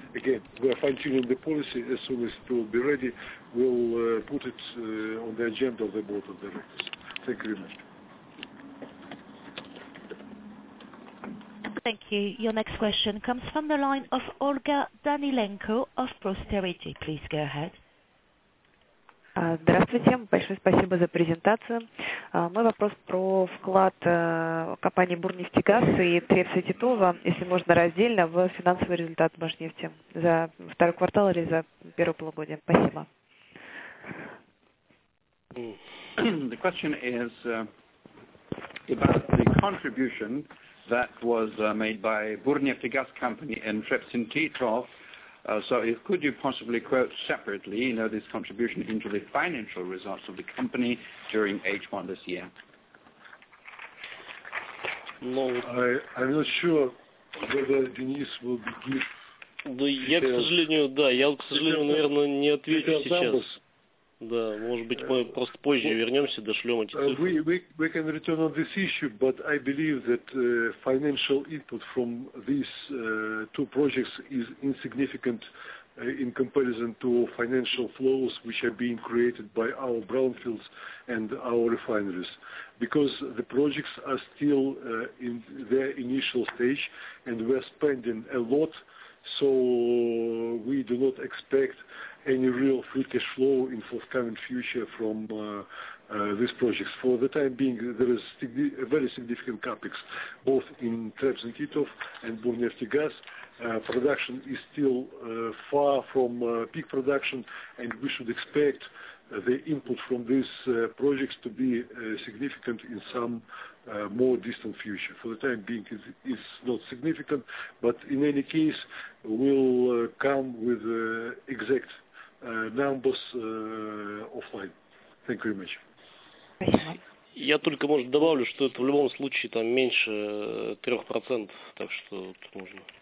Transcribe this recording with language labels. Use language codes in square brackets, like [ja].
[en] Again, we are fine-tuning the policy. As soon as it will be ready, we'll put it on the agenda of the board of directors. Thank you very much. Thank you. Your next question comes from the line of Olga Danilenko of Prosperity. Please go ahead. [ru] Здравствуйте. Большое спасибо за презентацию. Мой вопрос про вклад компании «Бурнефтегаз» и «Треция Титова», если можно раздельно, в финансовый результат «Башнефти» за второй квартал или за первое полугодие. Спасибо. [en] The question is about the contribution that was made by «Бурнефтегаз» company and «Треция Титова». So if, could you possibly quote separately, you know, this contribution into the financial results of the company during H1 this year? No. I'm not sure whether Denis will be give. [ru] Да, я, к сожалению, да, я, к сожалению, наверное, не отвечу сейчас. Да, может быть, мы просто позже вернемся, дошлем эти цифры. [en] We can return on this issue, but I believe that financial input from these two projects is insignificant in comparison to financial flows which are being created by our brownfields and our refineries, because the projects are still in their initial stage and we're spending a lot, so we do not expect any real free cash flow in forthcoming future from these projects. For the time being, there is a very significant capex, both in Treps and Titov and Burneftegaz. Production is still far from peak production, and we should expect the input from these projects to be significant in some more distant future. For the time being, it's not significant, but in any case, we'll come with exact numbers offline. Thank you very much. [ru] Я только, может, добавлю, что это в любом случае там меньше 3%, так что тут можно.